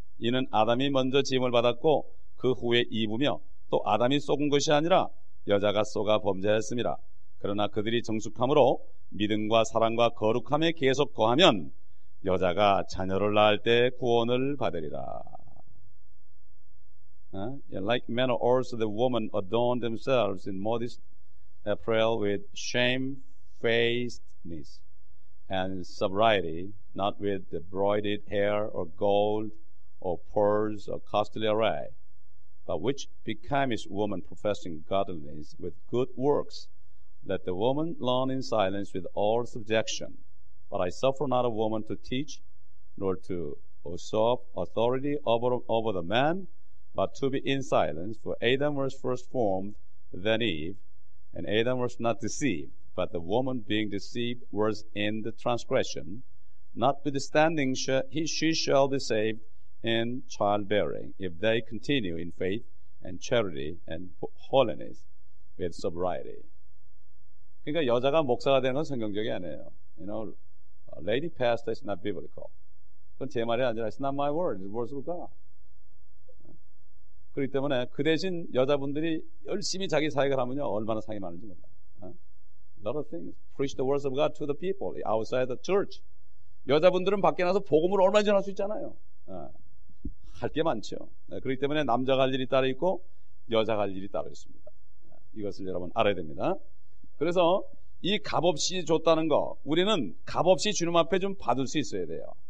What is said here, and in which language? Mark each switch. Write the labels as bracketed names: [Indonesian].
[Korean] 이는 아담이 먼저 지음을 받았고 그 후에 입으며 또 아담이 속은 것이 아니라 여자가 속아 범죄했습니다. 그러나 그들이 정숙함으로 믿음과 사랑과 거룩함에 계속 거하면 여자가 자녀를 낳을 때 구원을 받으리라. [English] Like men are also the woman adorn themselves in modest apparel with shamefacedness and sobriety, not with the broided hair or gold or pearls or costly array, but which becomes woman professing godliness with good works. Let the woman learn in silence with all subjection. But I suffer not a woman to teach, nor to usurp authority over the man, but to be in silence. For Adam was first formed, then Eve, and Adam was not deceived, but But the woman being deceived was in the transgression. Notwithstanding, she shall be saved in childbearing, if they continue in faith and charity and holiness with sobriety. [Korean] 그러니까 여자가 목사가 되는 건 성경적이 아니에요. [English] You know, a lady pastor is not biblical. [Korean] 그건 제 말이 아니라, [English] it's not my word, it's the words of God. [Korean] 그렇기 때문에 그 대신 여자분들이 열심히 자기 사역을 하면요, 얼마나 상이 많은지 몰라요. [English] A lot of things. Preach the words of God to the people outside the church. [Korean] 여자분들은 밖에 나서 복음을 얼마나 전할 수 있잖아요. 할 게 많죠. 그렇기 때문에 남자가 할 일이 따로 있고 여자가 할 일이 따로 있습니다. 이것을 여러분 알아야 됩니다. 그래서 이 값없이 줬다는 거, 우리는 값없이 주님 앞에 좀 받을 수 있어야 돼요.